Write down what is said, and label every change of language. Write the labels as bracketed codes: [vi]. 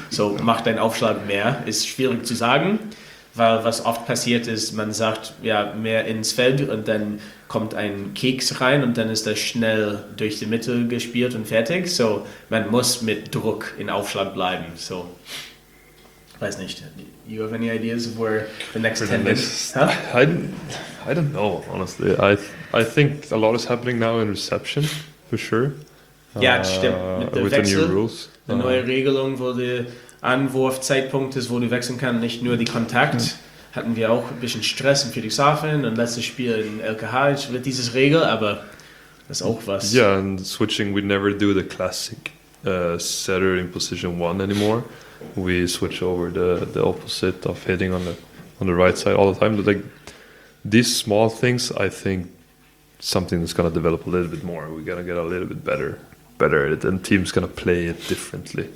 [de] So, mach deinen Aufschlag mehr, ist schwierig zu sagen, weil was oft passiert ist, man sagt, ja, mehr ins Feld und dann kommt ein Keks rein und dann ist das schnell durch die Mitte gespielt und fertig. So, man muss mit Druck in Aufschlag bleiben. So, weiß nicht. [en] You have any ideas of where the next 10 minutes? Huh? I don't know, honestly. I think a lot is happening now in reception, for sure. [de] Ja, das stimmt. Mit der Wechsel, der neue Regelung, wo der Anwurfzeitpunkt ist, wo du wechseln kannst, nicht nur die Kontakt. Hatten wir auch ein bisschen Stress in Friedrichshafen und letztes Spiel in LKH wird dieses Regel, aber das ist auch was. [en] Ja, and switching, we never do the classic setter in position one anymore. We switch over the opposite of hitting on the right side all the time. But like these small things, I think. Something that's going to develop a little bit more. We're going to get a little bit better at it, and teams going to play it differently.